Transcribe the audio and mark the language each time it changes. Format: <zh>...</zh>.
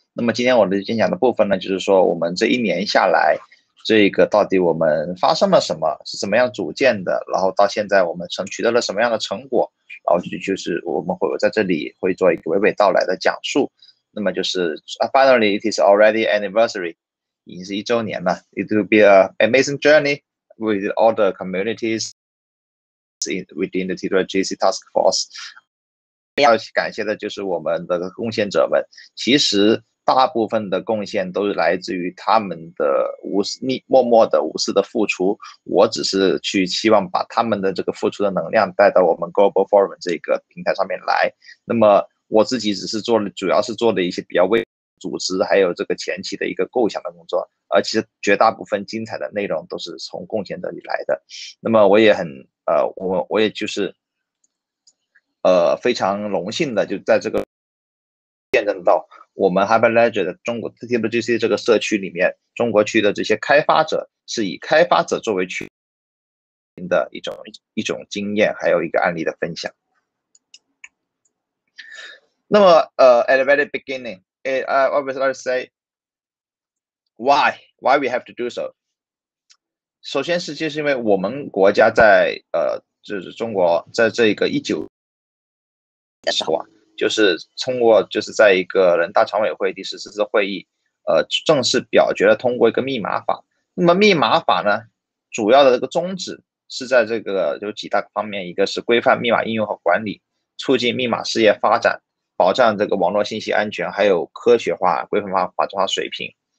<zh>那么今天我的演讲的部分呢，就是说我们这一年下来，这个到底我们发生了什么，是怎么样组建的，然后到现在我们取得了什么样的成果，然后就是我们会在这里会做一个娓娓道来的讲述。那么就是</zh> <en>Finally, it is already anniversary,</en> <zh>已经是一周年了。</zh> <en>It will be an amazing journey with all the communities within the TWGC Task Force.</en> <zh>要感谢的就是我们的贡献者们，其实大部分的贡献都是来自于他们的默默的无私的付出，我只是去希望把他们的这个付出的能量带到我们 Global Forum 这个平台上面来。那么我自己只是做了，主要是做了一些比较微组织还有这个前期的一个构想的工作，而其实绝大部分精彩的内容都是从贡献者里来的。那么我也很我也就是非常荣幸的就在这个见证到我们 Hyperledger 的中国 TWGC 这个社区里面，中国区的这些开发者是以开发者作为群的一种经验，还有一个案例的分享。那么</zh> <en>at the very beginning, I always like to say why we have to do so。</en> <zh>首先是就是因为我们国家在就是中国在这个1919年。就是通过就是在一个人大常委会第14次会议正式表决了通过一个密码法。那么密码法呢主要的这个宗旨是在这个有几大方面，一个是规范密码应用和管理，促进密码事业发展，保障这个网络信息安全，还有科学化规范化法制化水平。</zh>